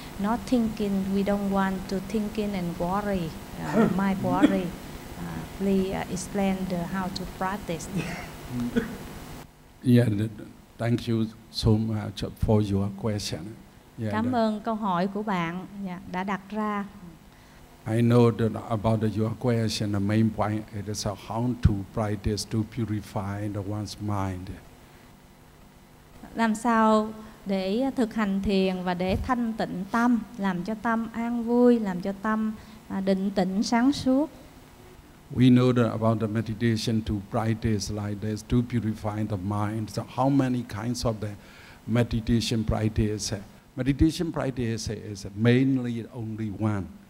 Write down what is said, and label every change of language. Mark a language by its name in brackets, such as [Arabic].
[English] Not thinking, we don't want to thinking and worry, mind worry. Please explain the how to practice. Yeah, thank you so much for your question. Yeah, [Vietnamese] cảm ơn câu hỏi của bạn đã đặt ra. [English] I know that about your question, the main point, it is how to practice to purify the one's mind. [Vietnamese] Làm sao để thực hành thiền và để thanh tịnh tâm, làm cho tâm an vui, làm cho tâm định tĩnh sáng suốt. [English] We know that about the meditation to practice like this, to purify the mind. So how many kinds of the meditation practice? Meditation practice is mainly only one.